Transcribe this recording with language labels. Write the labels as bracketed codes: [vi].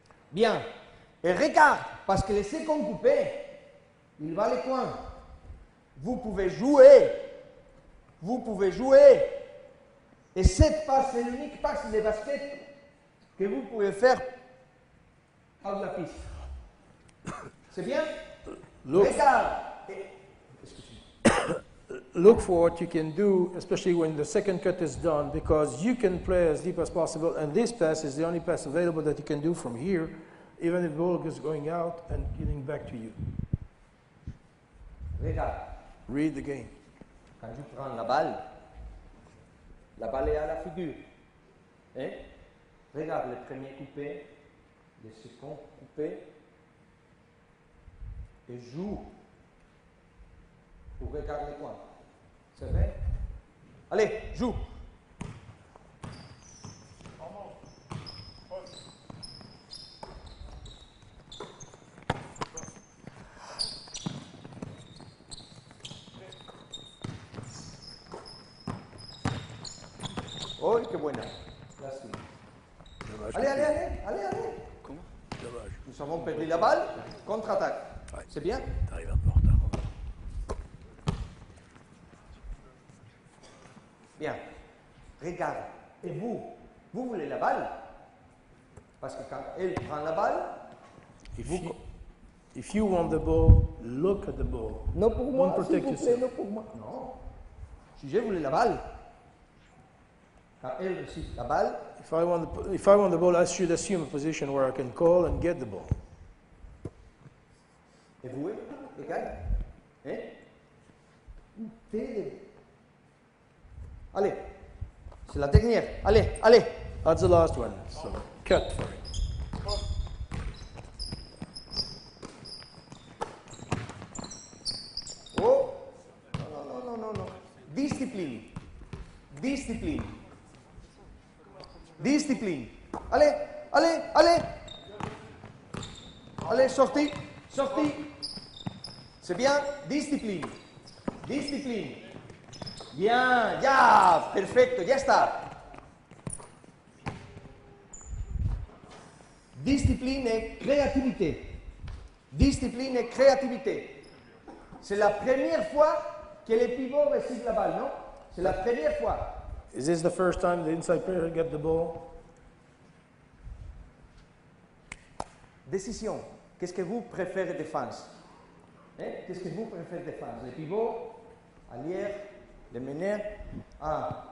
[fr] Bien. Et regarde, parce que les secondes coupées, il va les coins. Vous pouvez jouer. Vous pouvez jouer. Et cette passe, c'est l'unique passe de basket que vous pouvez faire hors de la piste. C'est bien? [en] Look. [fr] Regarde. [en] Look for what you can do, especially when the second cut is done, because you can play as deep as possible, and this pass is the only pass available that you can do from here, even if the ball is going out and getting back to you. [fr] Regarde. [en] Read the game. [fr] Quand je prends la balle est à la figure. Et regarde le premier coupé, le second coupé, et joue pour regarder les coins. C'est vrai? Allez, joue! [es] Oh, que buena. Lástima. [fr] Dommage. Allez, allez, allez, allez, allez. Comment? Dommage. Nous avons perdu la balle. Contre-attaque. Ouais. C'est bien? T'arrives un peu en retard. Bien. Regarde. Et vous, vous voulez la balle? Parce que quand elle prend la balle, [en] If you want the ball, look at the ball. [fr] Non pour moi, s'il vous plaît, non pour moi. Non. Si je voulais la balle, quand elle reçoit la balle. [en] If I want the ball, I should assume a position where I can call and get the ball. [fr] Et vous, les gars, hein? Allez, c'est la dernière. Allez, allez. [en] That's the last one. So cut for it. Oh, no, no, no, no, no. Discipline, discipline. Discipline. [fr] Allez, allez, allez. Allez, sorti, sorti. C'est bien. Discipline. Discipline. Bien. [es] Ya. Perfecto. Ya está. [fr] Discipline et créativité. Discipline et créativité. C'est la première fois que les pivots reçoivent la balle, non? C'est la première fois. [en] Is this the first time the inside player get the ball? [fr] Décision. Qu'est-ce que vous préférez défense? Eh? Qu'est-ce que vous préférez défense? Le pivot, arrière, le meneur. Ah.